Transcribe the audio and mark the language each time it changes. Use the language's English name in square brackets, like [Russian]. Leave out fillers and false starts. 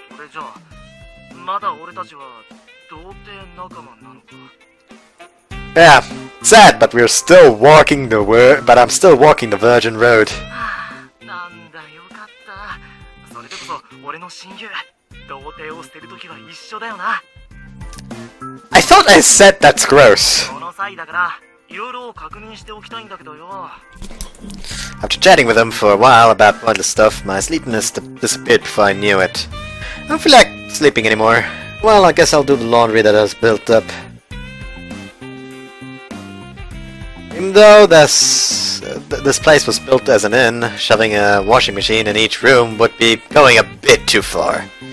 [Japanese] それじゃあまだ俺たちは童貞仲間なのか。 [English] Yeah, sad, but we're still walking the word. But I'm still walking the virgin road. [Japanese] なんだよかった。それでこそ俺の親友童貞を捨てるときは一緒だよな。 [English] I thought I said that's gross. [Japanese] この際だから、いろいろ確認しておきたいんだけどよ。 [English] After chatting with him for a while about all the stuff, my sleepiness disappeared before I knew it. I don't feel like sleeping anymore. Well, I guess I'll do the laundry that has built up. Even though this place was built as an inn, shoving a washing machine in each room would be going a bit too far.